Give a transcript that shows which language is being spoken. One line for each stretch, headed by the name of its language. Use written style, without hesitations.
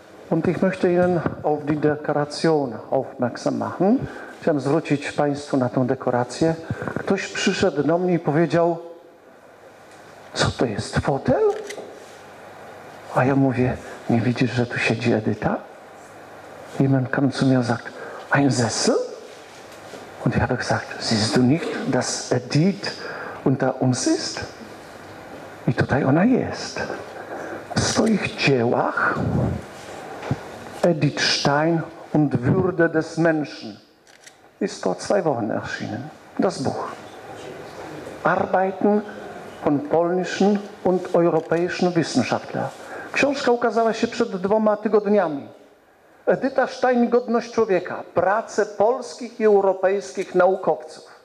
German: Und ich möchte Ihnen auf die Dekoration aufmerksam machen.
Polish: Chciałem zwrócić państwu na tę dekorację. Ktoś przyszedł do mnie i powiedział, co to jest, fotel? A ja mówię, nie widzisz, że tu siedzi Edyta?
German: Jemand kam zu mir und sagt, ein Sessel? Und ich habe gesagt, siehst du nicht, dass Edith unter uns ist?
Polish: I tutaj ona jest. W swoich dziełach
German: Edith Stein und Würde des Menschen ist vor zwei Wochen erschienen. Das Buch. Arbeiten von polnischen und europäischen Wissenschaftler.
Polish: Książka ukazała się przed 2 tygodniami. Edyta Stein, Godność Człowieka. Prace polskich i europejskich naukowców.